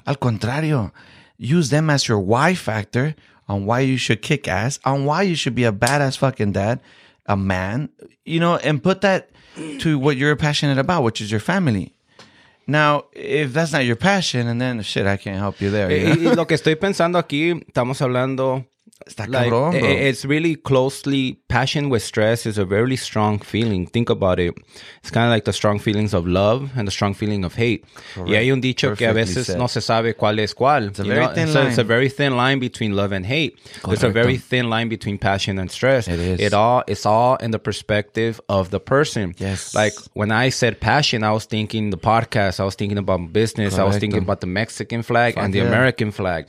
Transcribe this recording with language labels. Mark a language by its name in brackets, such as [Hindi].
[Spanish] Al contrario. [English] Use them as your why factor on why you should kick ass, on why you should be a badass fucking dad, a man. You know, and put that to what you're passionate about, which is your family. Now, if that's not your passion, and then shit, I can't help you there. You know? [Spanish] Y lo que estoy pensando aquí, estamos hablando. Está cabrón, bro. [English] It's really closely, passion with stress is a very strong feeling. Think about it. It's kind of like the strong feelings of love and the strong feeling of hate. Correct. [Spanish] Y hay un dicho perfectly que a veces said. No se sabe cuál es cuál. [English] It's a very thin line. So it's a very thin line between love and hate. [Spanish] Correcto. [English] It's a very thin line between passion and stress. It is. It's all in the perspective of the person. Yes. Like when I said passion, I was thinking the podcast. I was thinking about business. [Spanish] Correcto. [English] I was thinking about the Mexican flag and the American flag.